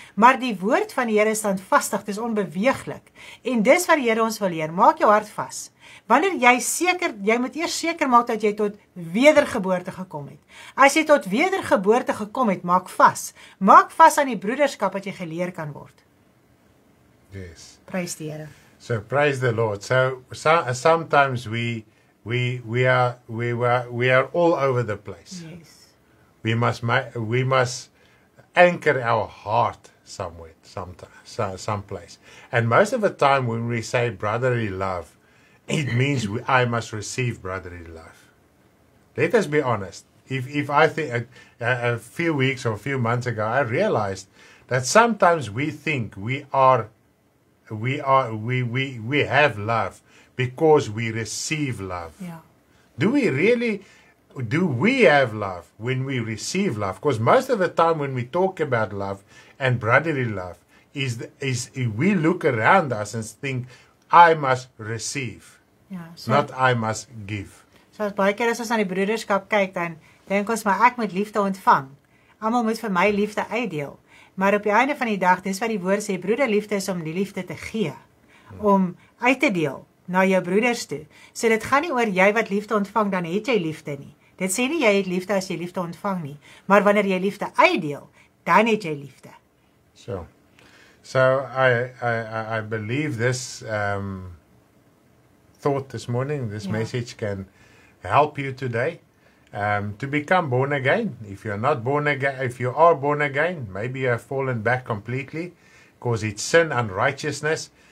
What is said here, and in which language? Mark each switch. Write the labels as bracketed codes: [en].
[af] Maar die woord van die Here is standvastig, dis onbeweeglik. En dis wat die Here ons wil leer. Maak jou hart vas. Wanneer jy seker, jy moet eers seker maak dat jy tot wedergeboorte gekom het. As jy tot wedergeboorte gekom het, maak vas. Maak vas aan die broederskap wat jy geleer kan word. [en] Yes. [af] Prys die Here. [en] So praise the Lord. So sometimes we are all over the place. Yes. We must anchor our heart somewhere, someplace. And most of the time when we say brotherly love, it means I must receive brotherly love. Let us be honest. If I think a few weeks or a few months ago, I realized that sometimes we think we have love because we receive love. Yeah. Do we have love when we receive love? Because most of the time when we talk about love and brotherly love, is we look around us and think, I must receive. [af] Ja, [en] so, not I must give. [af] So as baie keer as ons aan die broederskap kyk, dan denk ons maar ek moet liefde ontvang. Almal moet vir my liefde uitdeel. Maar op die einde van die dag, dis wat die woord sê, broederliefde is om die liefde te gee. Om uit te deel na jou broeders toe. So dit gaan nie oor jy wat liefde ontvang, dan het jy liefde nie. Dit sê nie jy het liefde as jy liefde ontvang nie. Maar wanneer jy liefde uitdeel, dan het jy liefde. [en] So I believe this thought this morning, message can help you today to become born again. If you're not born again, if you are born again, maybe you have fallen back completely because it's sin, unrighteousness.